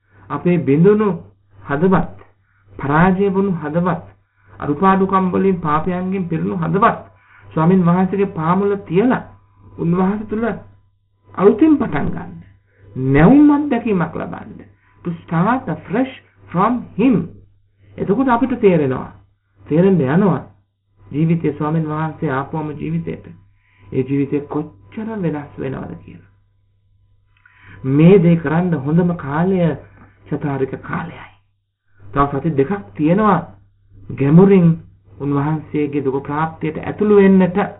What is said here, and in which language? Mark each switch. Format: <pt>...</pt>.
<si>අපේ බිඳුණු හදවත්, පරාජය වුණු හදවත්, අරුපාඩුකම් වලින් පාපයන්ගෙන් පිරුණු හදවත් ස්වාමින් වහන්සේගේ පාමුල තියලා උන්වහන්සේ තුළ අලුතින් පටන් ගන්න, නැවුම් අත්දැකීමක් ලබන්න.</si> <en>To start afresh from him.</en> <si>එතකොට අපිට තේරෙනවා, තේරෙන්න යනවා ජීවිතය ස්වාමීන් වහන්සේ ආපුවම ජීවිතයට ඒ ජීවිතය කොච්චර වෙනස් වෙනවද කියලා. මේ දේ කරන්න හොඳම කාලය චතාරික කාලයයි. තව සති දෙකක් තියෙනවා ගැමුරින් උන්වහන්සේගේ දුක ප්‍රාප්තියට ඇතුළු වෙන්නට.</si>